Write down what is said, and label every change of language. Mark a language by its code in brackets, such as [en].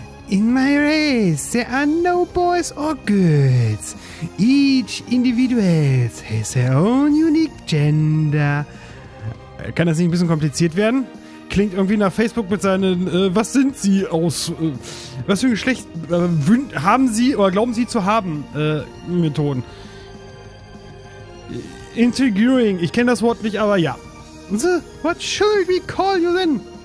[en] In my race, there are no boys or girls. Each individual has their own unique gender. [de] Kann das nicht ein bisschen kompliziert werden? Klingt irgendwie nach Facebook mit seinen, was sind sie aus, was für ein Geschlecht haben sie oder glauben sie zu haben, Methoden. Integrating, ich kenne das Wort nicht, aber ja. [en] So, what should we call you then?